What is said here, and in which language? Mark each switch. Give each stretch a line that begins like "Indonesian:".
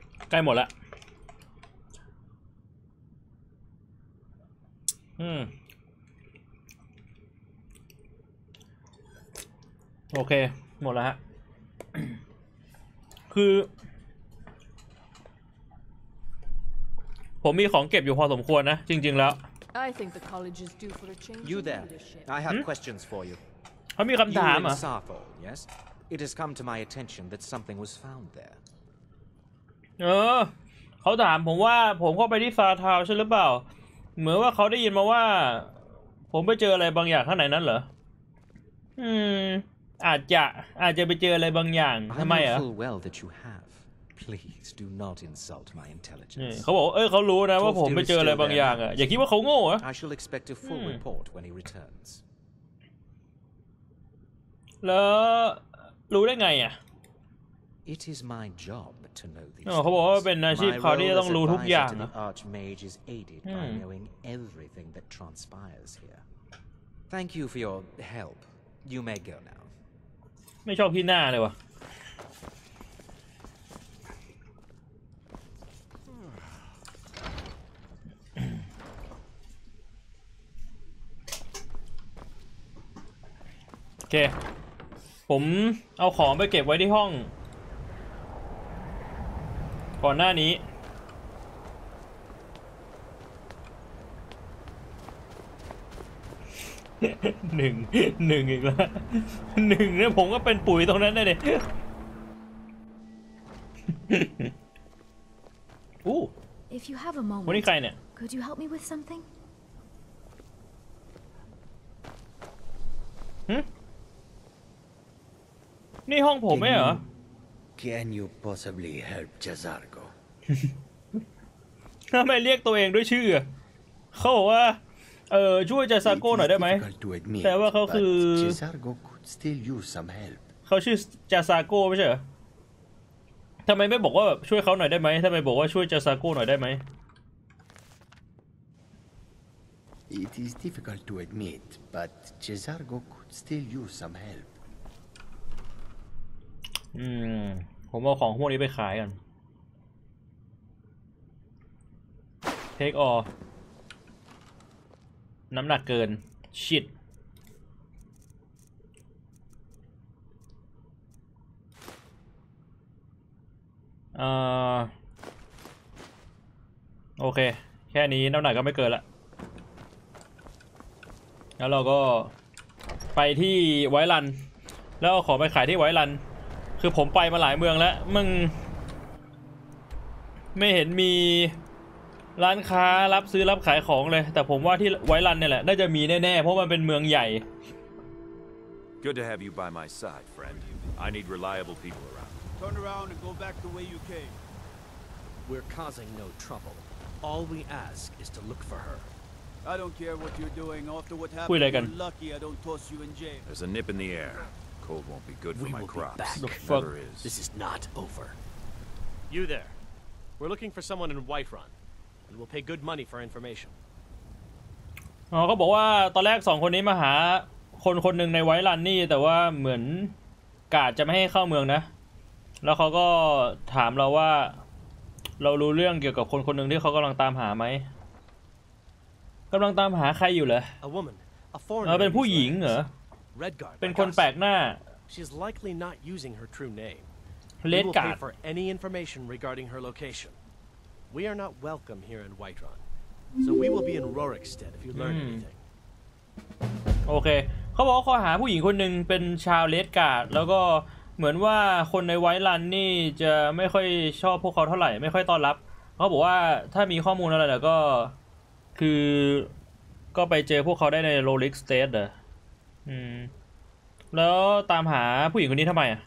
Thai: ใกล้หมดแล้วโอเคหมดแล้วฮะ คือผมมีของเก็บอยู่พอสมควรนะจริงๆแล้ว
English: I think the college is due for a change You there I have questions for you
Thai: เขามีคำถามอ่ะ
English: Sarfo, yes It has come to my attention that something was found there
Thai: เออเขาถามผมว่าผมเข้าไปที่ฟาทาวใช่หรือเปล่าเหมือนว่าเขาได้ยินมาว่าผมไปเจออะไรบางอย่างข้างในนั้นเหรออาจจะไปเจออะไรบางอย่างทำไมอ่ะ
English: I know full well that you have. Please do not insult my intelligence.
Thai: เขาบอกเออเขารู้นะว่าผมไปเจออะไรบางอย่างอ่ะอย่าคิดว่าเขาโง่อ่ะ
English: I shall expect a full report when he returns.
Thai: แล้วรู้ได้ไงอ่ะ
English: It is my job to know these.
Thai: เขาบอกว่าเป็นอาชีพเขาที่จะต้องรู้ทุกอย่างนะ
English: The Archmage is aided by knowing everything that transpires here. Thank you for your help. You may go now.
Thai: ไม่ชอบพี่หน้าเลยวะโอเคผมเอาของไปเก็บไว้ที่ห้องก่อนหน้านี้ หนึ่งอีกแล้วหนึ่งเนี่ยผมก็เป็นปุ๋ยตรงนั้นได้เลยอู้
English: If If you have a moment, could you help me with something?
Thai: นี่ห้องผมไม่เหรอ
English: Can you possibly help Jazargo?
Thai: ทำไมเรียกตัวเองด้วยชื่อเขาบอกว่าช่วยจาซาโก้หน่อยได้ไหมแต่ว่าเขาคือ
English: Jazargo could still use some help.
Thai: เขาชื่อจาซาโก้ไม่ใช่เหรอทำไมไม่บอกว่าช่วยเขาหน่อยได้ไหมทำไมบอกว่าช่วยจาซาโก้หน่อยได้ไหม
English: It is difficult to admit, but Jazargo could still use some help.
Thai: ผมเอาของพวกนี้ไปขายกัน
English: Take all
Thai: น้ำหนักเกิน
English: Shit
Thai: โอเคแค่นี้น้ำหนักก็ไม่เกินละ แล้วเราก็ไปที่ไวรันแล้วขอไปขายที่ไวรันคือผมไปมาหลายเมืองแล้วมึงไม่เห็นมีร้านค้ารับซื้อรับขายของเลยแต่ผมว่าที่ไวรันเนี่ยแหละน่าจะมีแน่ๆเพราะมันเป็นเมืองใหญ่
English: Good to have you by my side friend I need reliable peopleTurn around and go back the way you came. We're causing no trouble. All we ask is to look for her. I don't care what you're doing. After what happened, you're lucky I don't toss you in jail. There's a nip in the air. Cold won't be good for my crops. We will be back. Never is. This is not over. You there. We're looking for someone in Whiterun. And we'll pay good money for information.
Thai: เขาบอกว่าตอนแรกสองคนนี้มาหาคนคนหนึ่งในไวรันนี่แต่ว่าเหมือนกาดจะไม่ให้เข้าเมืองนะแล้วเขาก็ถามเราว่าเรารู้เรื่องเกี่ยวกับคนคนหนึ่งที่เขากำลังตามหาไหมกำลังตามหาใครอยู่เหรอเราเป็นผู้หญิงเหรอเป็นคนแปลกหน้า
English: She's likely not using her true name. We will pay for any information regarding her location. We are not welcome here in Whiterun, so we will be in Rorikstead if you learn anything.
Thai: โอเคเขาบอกว่าเขาหาผู้หญิงคนหนึ่งเป็นชาวเลดการ์ดแล้วก็เหมือนว่าคนในไวท์รันนี่จะไม่ค่อยชอบพวกเขาเท่าไหร่ไม่ค่อยต้อนรับเขาบอกว่าถ้ามีข้อมูลอะไรแล้วก็คือก็ไปเจอพวกเขาได้ในโรลิกสเตทเหรอแล้วตามหาผู้หญิงคนนี้ทำไมอ่ะ